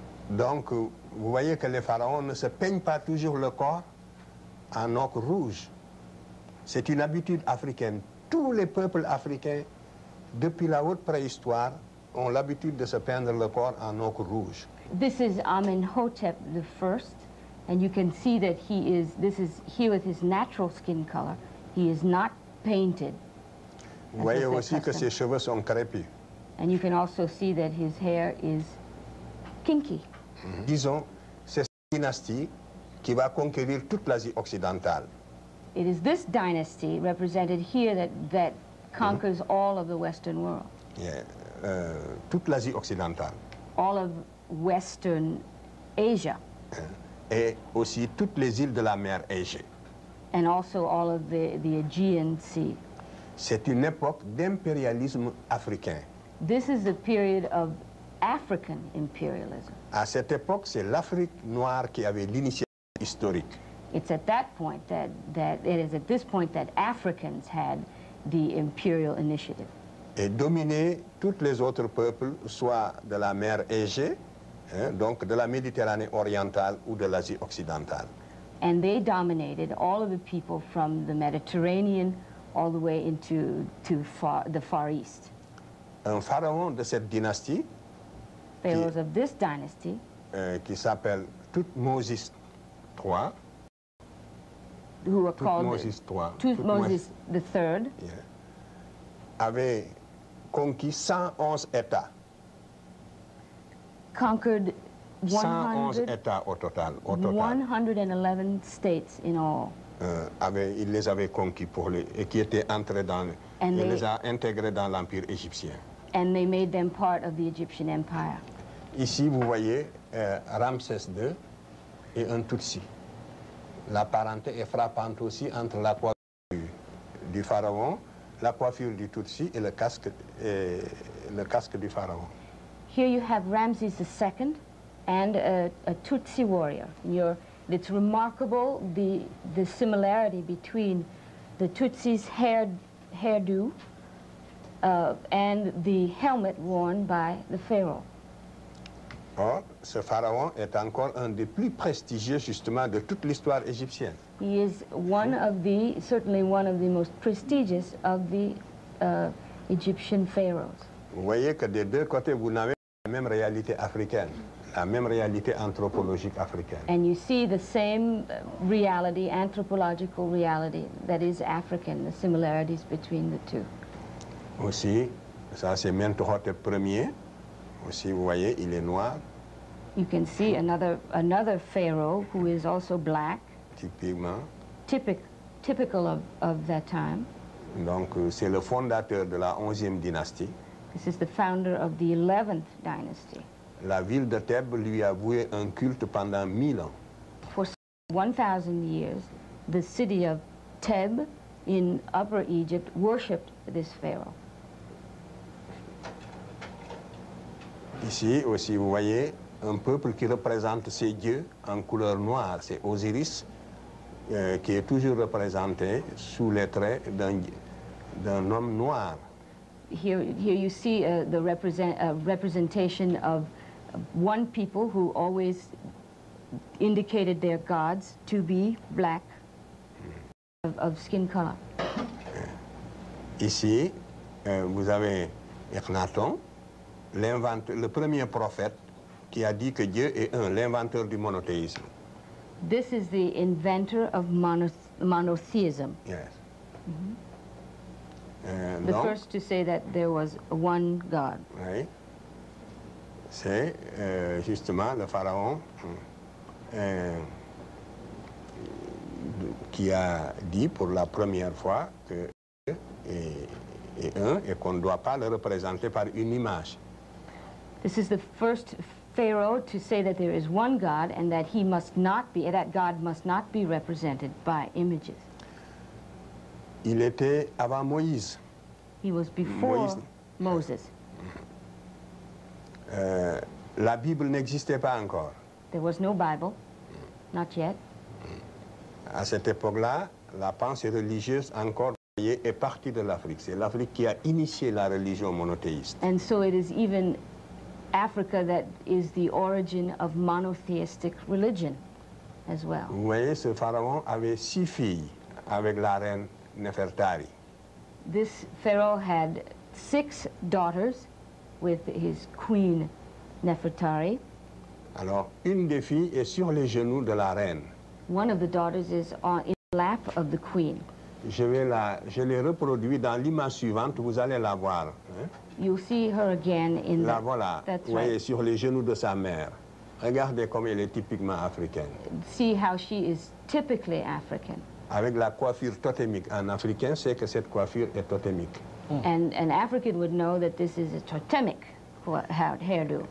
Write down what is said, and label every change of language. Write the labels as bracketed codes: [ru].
[fr] Donc, vous voyez que les pharaons ne se peignent pas toujours le corps en ocre rouge. C'est une habitude africaine. Tous les peuples africains, depuis la haute préhistoire, ont l'habitude de se peindre le corps en ocre rouge. [en] This is Amenhotep I, and you can see that he is, this is here with his natural skin color. He is not painted. [fr] Vous voyez aussi que ses cheveux sont crépus. [en] And you can also see that his hair is kinky. [fr] Disons, c'est cette dynastie qui va conquérir toute l'Asie occidentale. [en] It is this dynasty represented here that, that conquers all of the Western world. [fr] Yeah. Toute l'Asie occidentale. [en] All of Western Asia. [fr] Et aussi toutes les îles de la mer Égée. [en] And also all of the Aegean Sea. [fr] C'est une époque d'impérialisme africain. [en] This is a period of African imperialism. [fr] À cette époque, c'est l'Afrique noire qui avait l'initiative historique. [en] It's at that point that, that it is at this point that Africans had the imperial initiative. [fr] Et dominer tous les autres peuples, soit de la mer Égée, hein, donc de la Méditerranée orientale ou de l'Asie occidentale. [en] And they dominated all of the people from the Mediterranean all the way into the Far East. [fr] Un pharaon de cette dynastie, [en] pharaohs of this dynasty, [fr] qui s'appelle Thutmose III, [en] who are called Thutmose the Third, [fr] avait conquis 111 États. [en] Conquered [fr] 111 États au total. [en] 111 states in all. [fr] Il les avait conquis pour les, et qui étaient entrés dans, [en] and [fr] il les a intégrés dans l'empire égyptien. [en] And they made them part of the Egyptian Empire. [fr] Ici, vous voyez Ramsès II et un Tutsi. La parenté est frappante aussi entre la coiffure du pharaon, la coiffure du Tutsi et le casque du pharaon. [en] Here you have Ramsès II and a Tutsi warrior. It's remarkable the similarity between the Tutsi's hairdo and the helmet worn by the pharaoh. [fr] Or, ce pharaon est encore un des plus prestigieux justement de toute l'histoire égyptienne. [en] He is one of the, certainly one of the most prestigious of the Egyptian pharaohs. [fr] Vous voyez que des deux côtés, vous n'avez pas la même réalité africaine. La même réalité anthropologique africaine. [en] And you see the same reality, anthropological reality, that is African, the similarities between the two. [fr] Aussi, ça c'est Mentuhotep premier. Aussi, vous voyez, il est noir. [en] You can see another pharaoh who is also black. [fr] Typiquement. [en] Typical of that time. [fr] Donc, c'est le fondateur de la 11e dynastie. [en] This is the founder of the 11th dynasty. [fr] La ville de Thèbes lui a voué un culte pendant 1000 ans. [en] For 1,000 years, the city of Thèbes in Upper Egypt worshipped this pharaoh. [fr] Ici aussi, vous voyez, un peuple qui représente ses dieux en couleur noire, c'est Osiris, qui est toujours représenté sous les traits d'un homme noir. [en] Here you see representation of one people who always indicated their gods to be black, of skin color. [fr] Ici, vous avez Akhenaton, le premier prophète qui a dit que Dieu est un, l'inventeur du monothéisme. [en] This is the inventor of monotheism. Yes. Mm-hmm. The first to say that there was one God. [fr] Oui. C'est justement le pharaon qui a dit pour la première fois que Dieu est un et qu'on ne doit pas le représenter par une image. [en] This is the first pharaoh to say that there is one God and that he must not be, that God must not be represented by images. [fr] Il était avant Moïse. [en] He was before Moïse. Moses. [fr] La Bible n'existait pas encore. [en] There was no Bible, not yet. [fr] À cette époque-là, la pensée religieuse encore est partie de l'Afrique. C'est l'Afrique qui a initié la religion monothéiste. [en] And so it is even Africa that is the origin of monotheistic religion as well. [fr] Vous voyez, ce pharaon avait 6 filles avec la reine Nefertari. [en] This pharaoh had 6 daughters with his queen Nefertari. [fr] Alors, une des filles est sur les genoux de la reine. [en] One of the daughters is on, in the lap of the queen. [fr] Je l'ai reproduit dans l'image suivante, vous allez la voir. [en] You'll see her again in [fr] la [en] the, [fr] voilà, [en] that's [fr] voyez, [en] right. [fr] Sur les genoux de sa mère. Regardez comme elle est typiquement africaine. [en] See how she is typically African. [fr] Avec la coiffure totémique. Un Africain sait que cette coiffure est totémique. Mm. [en] And an African would know that this is a totemic hairdo.